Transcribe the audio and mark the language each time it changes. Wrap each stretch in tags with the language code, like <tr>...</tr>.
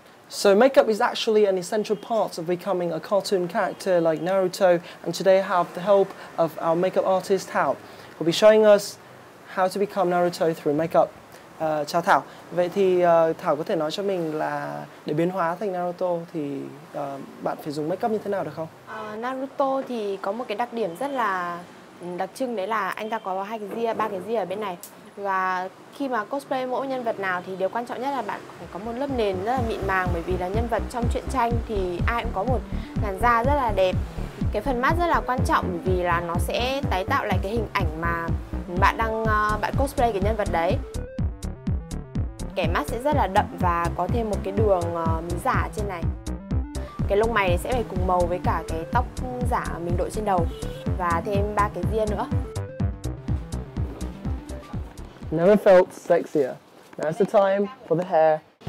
<en>So makeup is actually an essential part of becoming a cartoon character like Naruto, and today I have the help of our makeup artist Thảo, who'll be showing us how to become Naruto through makeup.</en> <vi>Chào Thảo. Vậy thì Thảo có thể nói cho mình là để biến hóa thành Naruto thì bạn phải dùng makeup như thế nào được không? Naruto thì có một cái đặc điểm rất là đặc trưng, đấy là anh ta có hai cái ria, ba cái ria ở bên này. Và khi mà cosplay mỗi nhân vật nào thì điều quan trọng nhất là bạn phải có một lớp nền rất là mịn màng, bởi vì là nhân vật trong truyện tranh thì ai cũng có một làn da rất là đẹp. cái phần mask rất là quan trọng vì là nó sẽ tái tạo lại cái hình ảnh mà bạn đang bạn cosplay cái nhân vật đấy. Kẻ mask sẽ rất là đậm và có thêm một cái đường mí giả trên này. Cái lông mày sẽ phải cùng màu với cả cái tóc giả mình đội trên đầu và thêm ba cái ria nữa.</vi> <en>Never felt sexier. Now's the time for the hair.</en>